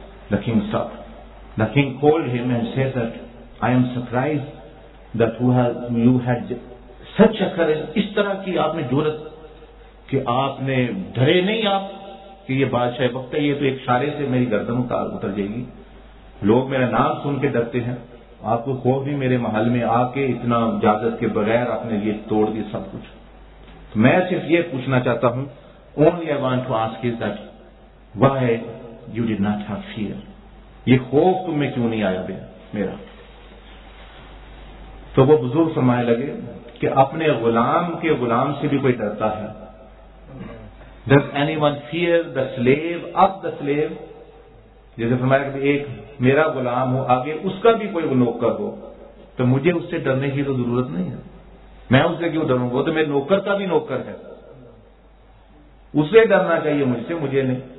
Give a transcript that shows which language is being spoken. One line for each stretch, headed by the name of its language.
English: the king stop, the king called him and said that I am surprise that you had such a courage,
Urdu: اس طرح کی آپ نے جرات کہ آپ نے ڈرے نہیں آپ کہ یہ بادشاہ وقت ہے، یہ تو ایک اشارے سے میری گردن اتر جائے گی، لوگ میرا نام سن کے ڈرتے ہیں، آپ کو خوف بھی میرے محل میں آ کے اتنا اجازت کے بغیر آپ نے یہ توڑ دیا سب کچھ. میں صرف یہ پوچھنا چاہتا ہوں
English: only I want to ask is that why you did not have fear?
Urdu: یہ خوف تم میں کیوں نہیں آیا بھی میرا؟ تو وہ بزرگ فرمائے لگے کہ اپنے غلام کے غلام سے بھی کوئی ڈرتا ہے؟
English: Does anyone fear the slave
Urdu: of the slave؟ جیسے فرمایا کہ ایک میرا غلام ہو آگے اس کا بھی کوئی نوکر ہو تو مجھے اس سے ڈرنے کی تو ضرورت نہیں ہے, میں اس سے کیوں ڈروں گا, وہ تو میرے نوکر کا بھی نوکر ہے, اسے ڈرنا چاہیے مجھ سے, مجھے نہیں.